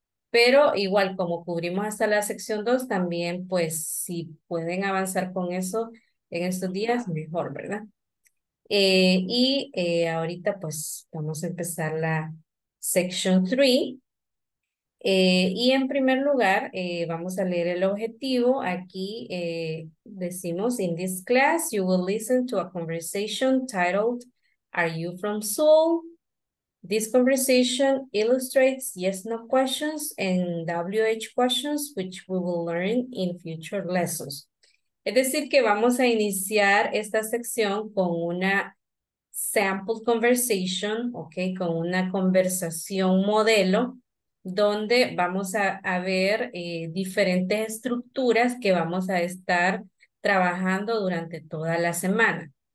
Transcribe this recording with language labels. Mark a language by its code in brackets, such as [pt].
[es] Pero igual, como cubrimos hasta la sección 2, también, pues, si pueden avanzar con eso en estos días, mejor, ¿verdad? Ahorita, pues, vamos a empezar la sección 3. Y en primer lugar, vamos a leer el objetivo. Aquí decimos, [en] in this class, you will listen to a conversation titled, Are you from Seoul? This conversation illustrates yes/no questions and WH questions, which we will learn in future lessons. [es] Es decir, que vamos a iniciar esta sección con una [en] sample conversation, [es] okay, con una conversación modelo, donde vamos a ver diferentes estructuras que vamos a estar trabajando durante toda la semana.